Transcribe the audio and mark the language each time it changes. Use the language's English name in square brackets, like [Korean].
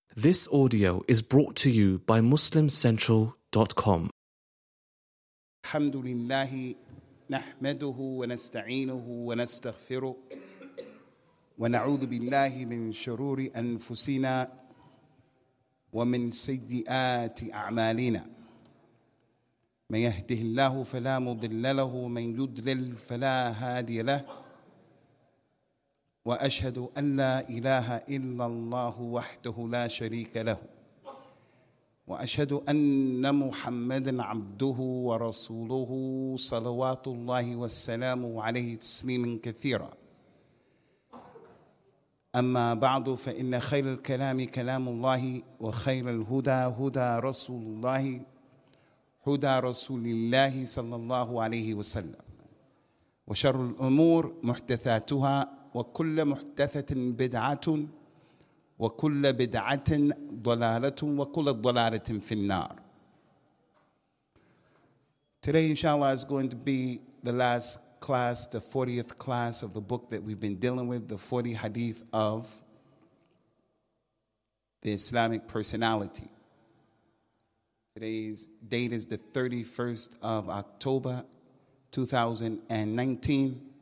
[English] This audio is brought to you by MuslimCentral.com. [Arabic] الحمد لله نحمده ونستعينه ونستغفره ونعوذ بالله من شرور أنفسنا ومن سيئات أعمالنا من يهده الله فلا مضل له ومن يضلل فلا هادي له وأشهد أن لا إله إلا الله وحده لا شريك له وأشهد أن محمدا عبده ورسوله صلوات الله وسلامه عليه تسليما كثيرا أما بعد فإن خير الكلام كلام الله وخير الهدى هدى رسول الله هدى رسول الله صلى الله عليه وسلم وشر الأمور محدثاتها وكل محدثة بدعة وكل بدعة ضلالة وكل ضلالة في النار. [English] Today, inshallah, is going to be the last class, the 40th class of the book that we've been dealing with, the 40 hadith of the Islamic personality. Today's date is the 31st of October, 2019.